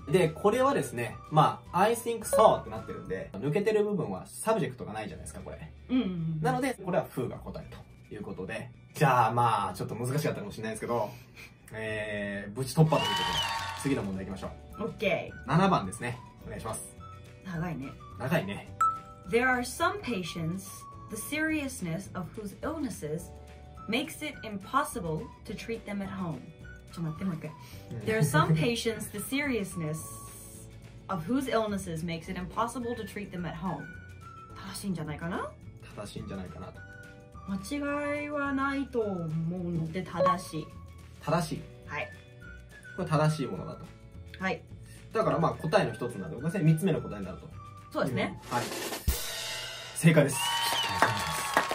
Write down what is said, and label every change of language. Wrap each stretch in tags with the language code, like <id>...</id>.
<ja>でこれはですね、まあ</ja> <en>I think so</en> <ja>ってなってるんで抜けてる部分はサブジェクトがないじゃないですかこれ、うんうんうん、なのでこれはフーが答えと。ということで、じゃあまあちょっと難しかったかもしれないですけど、ぶち突破ということで次の問題いきましょう。 OK。 7番ですね、お願いします。長いね。長いね。</ja> <en>There are some patients the seriousness of whose illnesses makes it impossible to treat them at home。</en> <ja>ちょっと待って、もう一回。</ja> <en>There are some patients the seriousness of whose illnesses makes it impossible to treat them at home。</en> <ja>正しいんじゃないかな。正しいんじゃないかなと。間違いはないと思うので正しい。正しい、はい、これ正しいものだと。はい、だからまあ答えの一つになる、ごめんなさい、3つ目の答えになると。そうですね、はい、正解です。</ja>